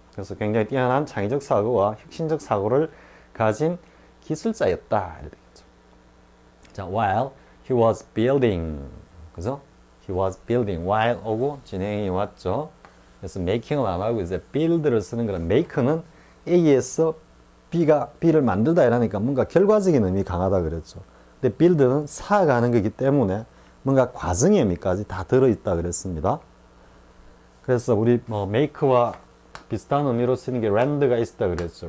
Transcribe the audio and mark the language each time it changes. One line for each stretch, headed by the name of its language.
Korean: 그래서 굉장히 뛰어난 창의적 사고와 혁신적 사고를 가진 기술자였다 이렇게 되겠죠.
English: 자, while he was building,
Korean: 그죠?
English: He was building while
Korean: 오고 진행이 왔죠. 그래서 making은 안 하고 이제 build를 쓰는 거라. make는 A에서 B가 B를 만들다 이러니까 뭔가 결과적인 의미 강하다 그랬죠. 근데 build는 쌓아가는 거기 때문에 뭔가 과정의 의미까지 다 들어있다 그랬습니다. 그래서 우리 뭐 make와 비슷한 의미로 쓰는 게 render가 있었다 그랬죠.